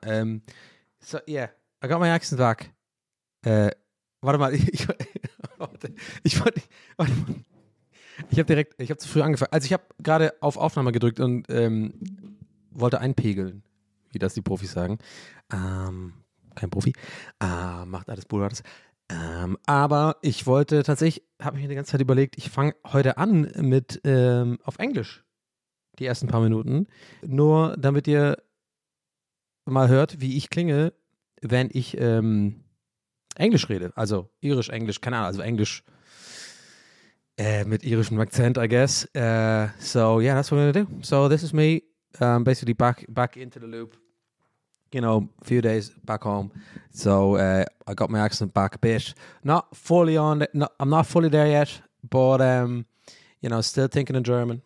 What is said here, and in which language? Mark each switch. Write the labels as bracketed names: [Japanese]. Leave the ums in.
[English] Ähm, so, yeah, I got my accent back. [German] Äh, warte mal. Ich, warte, ich wollte, warte mal. Ich habe direkt, ich habe zu früh angefangen. Also ich habe gerade auf Aufnahme gedrückt und ähm, wollte einpegeln, wie das die Profis sagen. Ähm, kein Profi. Äh, macht alles Bullrats. Ähm, aber ich wollte tatsächlich, habe mir die ganze Zeit überlegt, ich fange heute an mit ähm, auf Englisch die ersten paar Minuten, nur damit ihr mal hört, wie ich klinge, wenn ich ähm, Englisch rede. Also irisch, Englisch, keine Ahnung, also Englisch äh, mit irischem Akzent, [English] I guess. Äh, so yeah, that's what we're gonna do. So this is me, um, basically back back into the loop. You know, few days back home, so uh, I got my accent back a bit. Not fully on, not, I'm not fully there yet, but um, you know, still thinking in German.